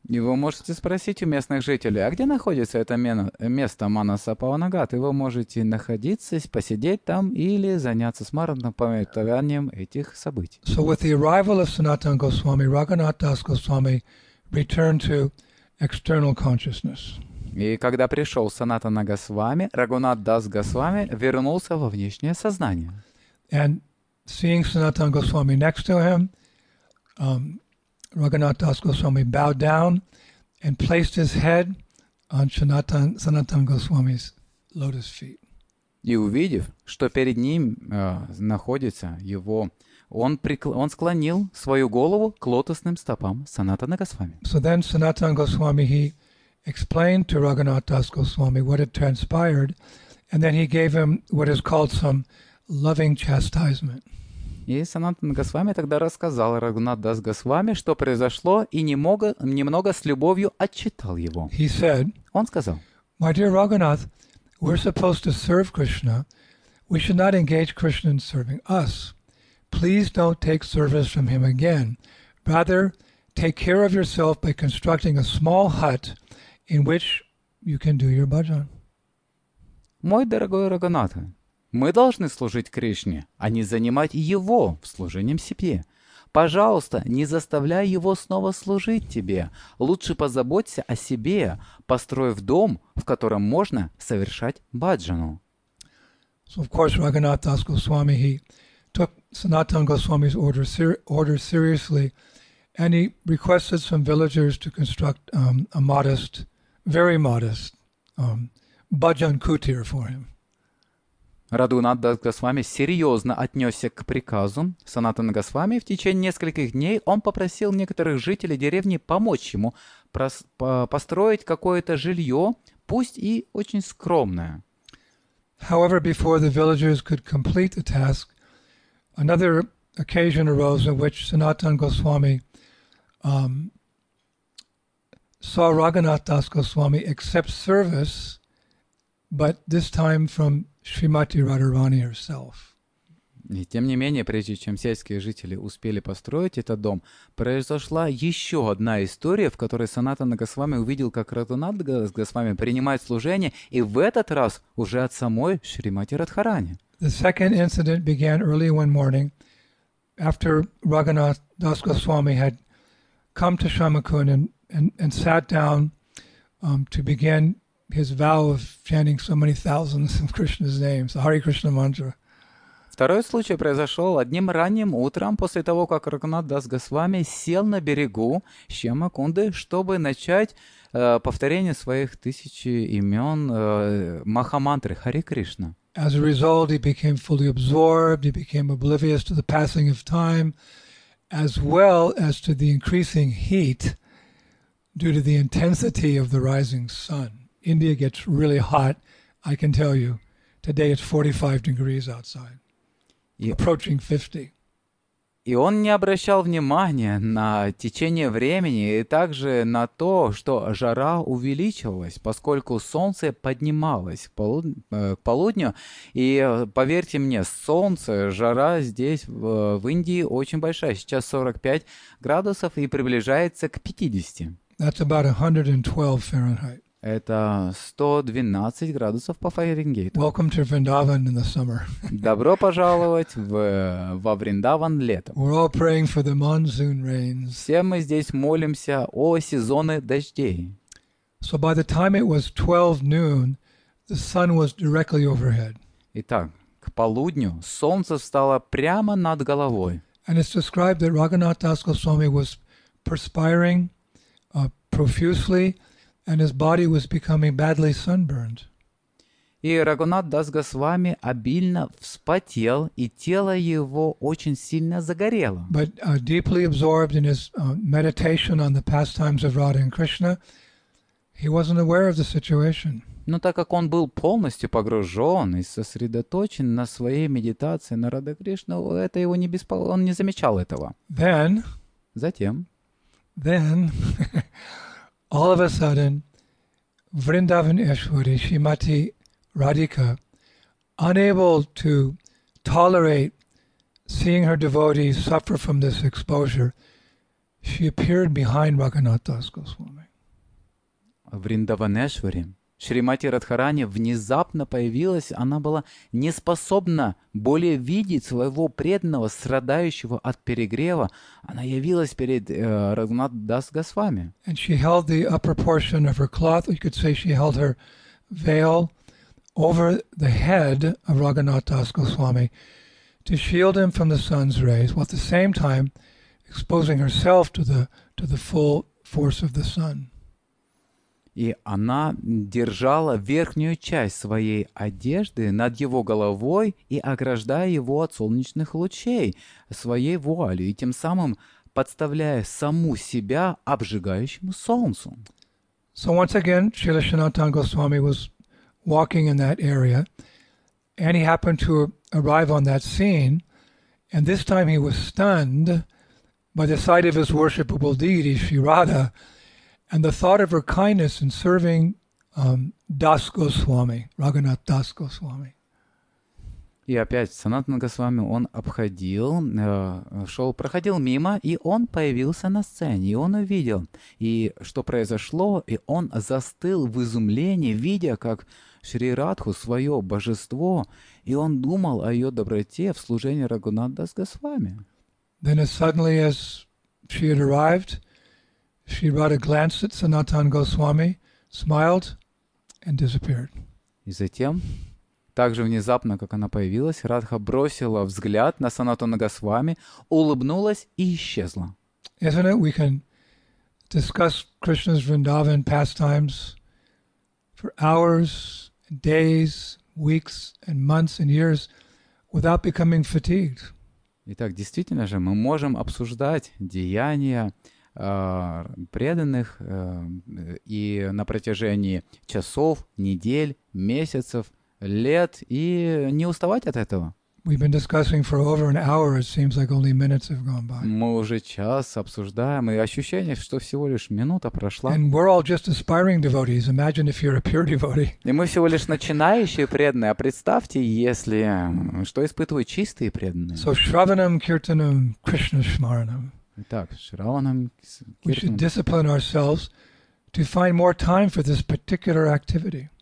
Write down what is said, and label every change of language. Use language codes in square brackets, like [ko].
[ru] И вы можете спросить у местных жителей, а где находится это место Манаса Паванагат? И вы можете находиться, посидеть там или заняться смаранам, памятованием этих событий. [en] So with the arrival of Sanatan Goswami, Raghunath Das Goswami returned to external consciousness. [ru] И когда пришел Санатана Госвами, Рагунат Дас Госвами вернулся во внешнее сознание. [en] And seeing Sanatan Goswami next to him, Raghunath Das Goswami bowed down and placed his head on Sanatan Goswami's lotus feet. [ru] И увидев, что перед ним находится его, он склонил свою голову к лотосным стопам Санатана Госвами. [en] So then Sanatan Goswami, he explained to Raghunath Das Goswami what had transpired, and then he gave him what is called some loving chastisement. [ru] И Санатан Госвами тогда рассказал Рагунат Дас Госвами, что произошло, и немного с любовью отчитал его. [en] He said, [ru] он сказал, [en] My dear Raghunath, we're supposed to serve Krishna. We should not engage Krishna in serving us. Please don't take service from him again. Rather, take care of yourself by constructing a small hut in which you can do your bhajan. [ru] Мой дорогой Рагунат, мы должны служить Кришне, а не занимать Его в служении себе. Пожалуйста, не заставляй Его снова служить тебе. Лучше позаботься о себе, построив дом, в котором можно совершать бхаджану. [en] So, of course, Raghunath Das Goswami, he took Sanatan Goswami's order seriously, and he requested some villagers to construct a modest, very modest bhajan kutir for him. [ru] Рагунат Дас Госвами серьезно отнесся к приказу Санатана Госвами. В течение нескольких дней он попросил некоторых жителей деревни помочь ему построить какое-то жилье, пусть и очень скромное. [en] However, before the villagers could complete the task, another occasion arose in which Sanatan Goswami saw Raghunath Das Goswami accept service, but this time from Шримати Радхарани herself. [ru] И тем не менее, прежде чем сельские жители успели построить этот дом, произошла еще одна история, в которой Санатана Госвами увидел, как Рагунат Дас Госвами принимает служение, и в этот раз уже от самой Шримати Радхарани. [en] The second incident began early one morning after Raghunath Das Goswami had come to Shamakun and sat down to begin his vow of chanting so many thousands of Krishna's names, the Hare Krishna mantra. [ru] Второй случай произошел одним ранним утром после того, как Рагунатх Дас Госвами сел на берегу Шьямакунды, чтобы начать повторение своих тысячи имен Махамантры Hare Krishna. [en] As a result, he became fully absorbed, he became oblivious to the passing of time, as well as to the increasing heat due to the intensity of the rising sun. India gets really hot, I can tell you. Today it's 45 degrees outside, approaching 50. [ru] И он не обращал внимания на течение времени и также на то, что жара увеличивалась, поскольку солнце поднималось к полудню. И поверьте мне, солнце, жара здесь в Индии очень большая. Сейчас 45 градусов и приближается к 50. [en] That's about 112 Fahrenheit. [ru] Это 112 градусов по Фаренгейту. [en] Welcome to Vrindavan in the summer. [ru] Добро пожаловать во Вриндаван летом. [en] We're all praying for the monsoon rains. [ru] Все мы здесь молимся о сезоне дождей. [en] So by the time it was 12 noon, the sun was directly overhead. [ru] Итак, к полудню солнце стало прямо над головой. [en] And it's described that Raghunath Das Goswami was perspiring profusely, and his body was becoming badly sunburned. [ru] И Рагунатх Дас Госвами обильно вспотел, и тело его очень сильно загорело. [en] But deeply absorbed in his meditation on the pastimes of Radha and Krishna, he wasn't aware of the situation. [ru] Но так как он был полностью погружен и сосредоточен на своей медитации на Радхе Кришне, это его не беспокоило, он не замечал этого. [en] Then, [ru] затем, [en] Then, all of a sudden, Vrindavaneshwari, Srimati Radhika, unable to tolerate seeing her devotees suffer from this exposure, she appeared behind Raghunath Das Goswami. [ru] Vrindavaneshwari, Шримати Радхарани внезапно появилась, она была не способна более видеть своего преданного, страдающего от перегрева. Она явилась перед Рагунат Дас Госвами. [en] And she held the upper portion of her cloth, you could say she held her veil over the head of Raghunath Das Goswami to shield him from the sun's rays, while at the same time exposing herself to the full force of the sun. [ru] И она держала верхнюю часть своей одежды над его головой и ограждая его от солнечных лучей своей вуалью, и тем самым подставляя саму себя обжигающему солнцу. [en] So once again, Srila Sanatana Goswami was walking in that area, and he happened to arrive on that scene, and this time he was stunned by the sight of his worshipable deity, Sri Radha, and the thought of her kindness in serving Das Goswami, Raghunath Das Goswami. [ru] И опять Санатан Госвами, он обходил, шел, проходил мимо, и он появился на сцене, и он увидел, и что произошло, и он застыл в изумлении, видя, как Шри Радху, свое божество, и он думал о ее доброте в служении Раghunath Das Goswami. [en] Then as suddenly as she had arrived, Sri Radha glanced at Sanatana Goswami, smiled, and disappeared. [ru] И затем, так же внезапно, как она появилась, Радха бросила взгляд на Санатана Госвами, улыбнулась и исчезла. [en] Isn't it? We can discuss Krishna's Vrindavan pastimes for hours, days, weeks, and months, and years without becoming fatigued. [ru] Итак, действительно же, мы можем обсуждать деяния преданных и на протяжении часов, недель, месяцев, лет и не уставать от этого. [en] We've been discussing for over an hour. It seems like only minutes have gone by. [ru] Мы уже час обсуждаем, и ощущение, что всего лишь минута прошла. [en] And we're all just aspiring devotees. Imagine if you're a pure devotee. [ru] И мы всего лишь начинающие преданные. А представьте, если что испытывают чистые преданные. [sa] So Shravanam Kirtanam Krishna Smaranam. [ru] Итак, Шраванам, [sa] Киртанам. [en] We should discipline ourselves to find more time for this particular activity.